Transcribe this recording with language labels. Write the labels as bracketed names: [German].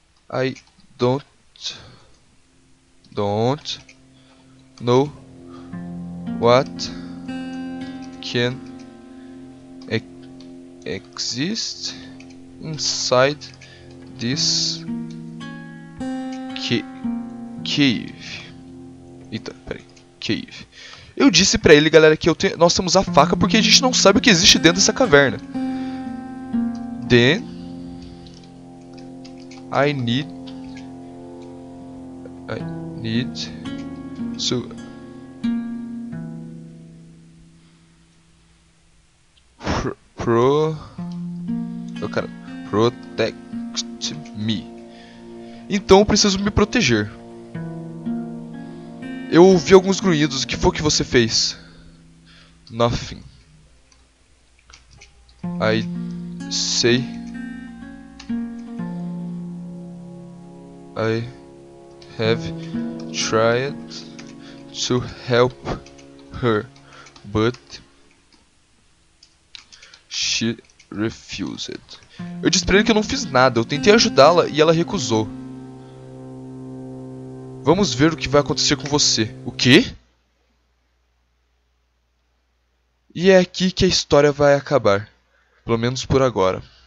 [English] I don't know what can exist inside this cave. [Portuguese] Eita, peraí, cave. Eu disse pra ele, galera, que nós temos a faca porque a gente não sabe o que existe dentro dessa caverna. [English] Then I need to protect me. [Portuguese] Então eu preciso me proteger. Eu ouvi alguns grunhidos. O que foi que você fez? [English] Nothing. I say. I have tried to help her, but she refused. [Portuguese] Eu disse pra ele que eu não fiz nada, eu tentei ajudá-la e ela recusou. Vamos ver o que vai acontecer com você. O quê? E é aqui que a história vai acabar, pelo menos por agora.